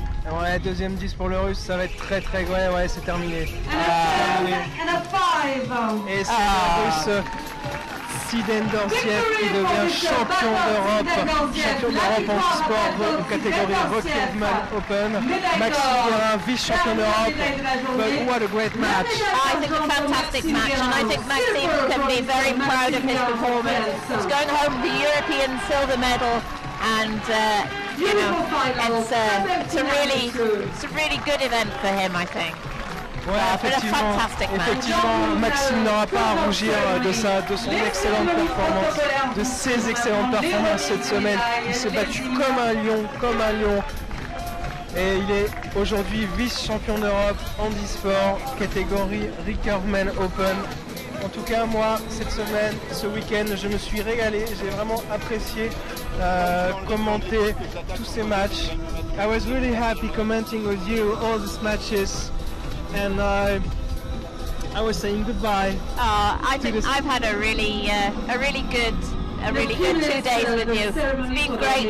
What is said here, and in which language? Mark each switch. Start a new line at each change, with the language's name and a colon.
French: Ouais, deuxième 10 pour le Russe, ça va être très très grave. Ouais, ouais, c'est terminé.
English: And a 5.
French: Et c'est le Russe. Sidendorsiev qui devient champion d'Europe, champion d'Europe en sport de catégorie Rocketman Open. Maxime est un vice-champion d'Europe.
English: But what a great match! I think a fantastic match, and I think Maxime can be very proud of his performance. He's going home with the European silver medal, and you know, it's a really good event for him, I think.
French: Ouais, effectivement, Maxime n'aura pas à rougir de son excellente performance, de ses excellentes performances cette semaine. Il s'est battu comme un lion, comme un lion. Et il est aujourd'hui vice-champion d'Europe en e-sport, catégorie Recurve Men Open. En tout cas, moi, cette semaine, ce week-end, je me suis régalé. J'ai vraiment apprécié commenter tous ces matchs.
English: I was really happy commenting with you all these matches. And I was saying goodbye. Oh, I think I've had a really good 2 days with you. It's been great.